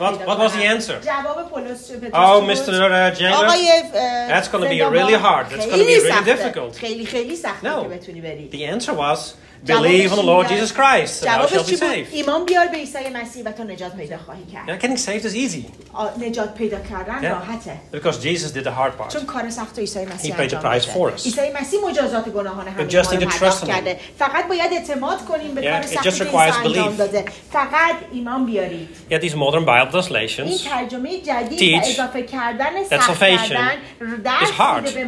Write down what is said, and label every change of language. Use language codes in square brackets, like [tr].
[en] What was the answer? Oh, Mr. Jailer, that's going to be really hard. That's going to be really difficult. No, the answer was, believe on the Lord Jesus Christ and thou shalt be saved. [fa] ایمان بیار به عیسی مسیح و تو نجات پیدا خواهی کرد. [en] Getting saved is easy. [fa] نجات پیدا کردن راحته. [en] Because Jesus did the hard part. [fa] چون کار سخت عیسی مسیح انجام داد. [en] He paid the price for us. [fa] عیسی مسیح مجازات گناهان همه ما رو پرداخت کرده. فقط باید اعتماد کنیم به کار سخت که عیسی انجام داده. فقط ایمان بیارید. [en] Yeah, these modern Bible translations teach that salvation is hard.